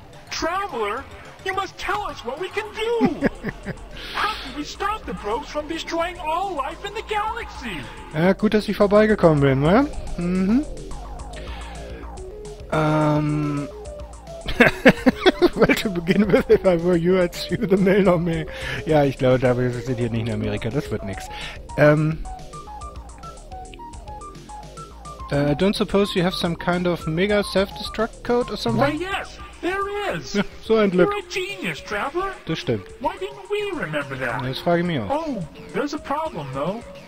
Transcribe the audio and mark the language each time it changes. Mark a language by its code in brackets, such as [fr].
[en] Traveler, you must tell us what we can do! How can we stop the probes from destroying all life in the galaxy? [de] Ja, gut, dass ich vorbeigekommen bin, ne? Welche beginnen wir? [en] If I were you, I'd sue the mail on me. [de] Ja, ich glaube, da sind hier nicht in Amerika. Das wird nix. [en] I don't suppose you have some kind of mega self-destruct code or something? Why, yes, there is. [de] So ein Glück. [en] You're a genius, Traveler. [de] Das stimmt. [en] Why didn't we remember that? [de] Das frage ich mich auch. [en] Oh, there's a problem, though.